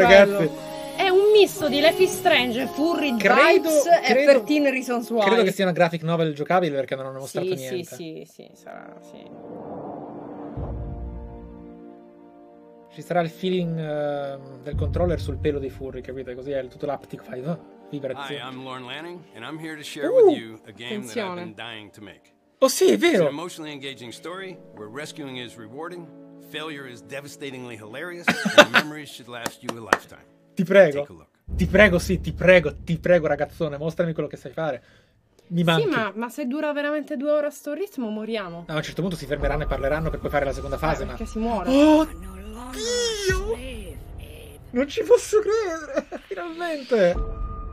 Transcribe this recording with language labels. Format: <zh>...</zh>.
<it>Ragazzi, è un misto di Life is Strange, Furry, credo, vibes, credo, e 13 Reasons Why. Credo che sia una graphic novel giocabile, perché non hanno mostrato niente. Sì, sarà, sì. Ci sarà il feeling del controller sul pelo dei Furry, capite? Così è tutto l'haptic vibe.</it> <en>Hi, I'm Lauren Lanning, and I'm here to share with you a game that I've been dying to make.</en> <it>Oh, sì, è vero.</it> <en>It's an emotionally engaging story where rescuing is rewarding, failure is devastatingly hilarious, and memories should last you a lifetime.</en> <it>Ti prego.</it> <en>Take a look.</en> <it>Ti prego, ragazzone, mostrami quello che sai fare. Mi manchi. Sì, ma se dura veramente 2 ore a sto ritmo, moriamo. No, a un certo punto si fermeranno e parleranno per poi fare la seconda fase, ma... Perché si muore. Oddio! Non ci posso credere, finalmente!</it>